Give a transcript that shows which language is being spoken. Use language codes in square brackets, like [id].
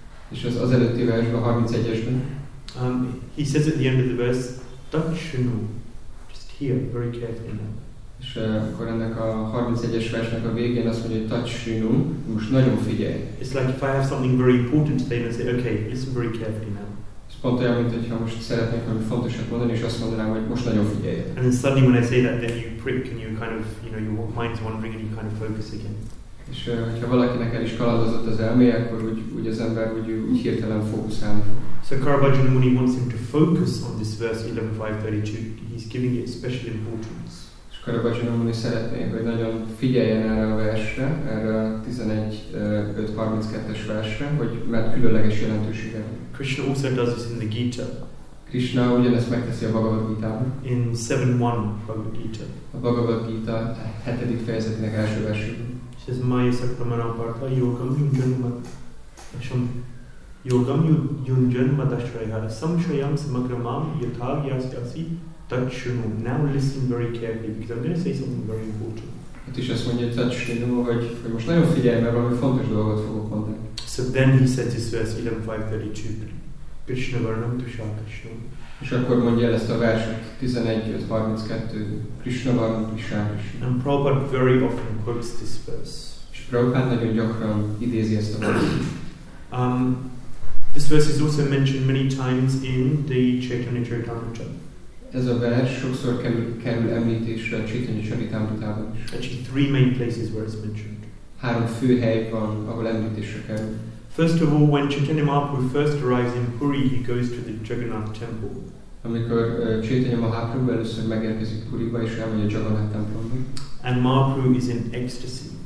[hu] És az előtti versben, 31-esben. [en] He says at the end of the verse, Dakshinu, just here, very carefully now. [hu] És akkor ennek a 31-es versnek a végén azt mondja, hogy Tatsinu, most nagyon figyelj. [en] It's like if I have something very important to say, then say, okay, listen very carefully now. [hu] Ez pont olyan, mint hogyha most szeretnék valami fontosat mondani, és azt mondanám, hogy most nagyon figyelj. [en] And then suddenly when I say that, then you prick and you kind of, you know, your mind's wandering and you kind of focus again. [hu] És ha valakinek el is kalandozott az elméje, akkor úgy az ember úgy hirtelen fókuszálni fog. [en] So Caravaggio Muni wants him to focus on this verse 11.5.32. He's giving it special importance. [hu] És Caravaggio Muni szeretné, hogy nagyon figyeljen erre a versre, erre a 11.5.32-es versre, hogy mert különleges jelentősége. [en] Krishna also does this in the Gita. [hu] Krishna ugyanezt megteszi a Bhagavad Gita-ban. [en] In 7.1 Bhagavad Gita. [hu] A Bhagavad Gita 7. fejezetének első versében. [en] He says, [sa] Maya Saktamana Partha Yogam Yunjanmat. Asham. Yogam Yunjanmat Ashrayhara. Samshayam Samagramam Yathag Yasyasi Tatshunu. [en] Now listen very carefully, because I'm going to say something very important. [hu] Itt is azt mondja, Tatshunu, hogy most nagyon figyelj, mert valami fontos dolgot fogok mondani. [en] So then he said this verse 11.5.32. [sa] Krishna Varnam Tushar Tatshunu. [hu] És akkor mondja ezt a verset 11.5.32. [sa] Krishna Varnam Tushar Tatshunu. [en] And Prabhupada very often quotes this verse. [hu] És Prabhupada nagyon gyakran idézi ezt a verset. [en] This verse is also mentioned many times in the Chaitanya Charitamrita. [hu] Ez a vers sokszor kerül említésre a Chaitanya Charitamritában is. [en] Actually, three main places where it's mentioned. [hu] Három fő hely van, ahol említésre kerül. [en] First of all, when Chaitanya Mahaprabhu first arrives in Puri, he goes to the Jagannath temple. [hu] Amikor Chaitanya Mahaprabhu először megérkezik Puriba, és elmegy a Jagannath templomba. [en] And Mahaprabhu is in ecstasy.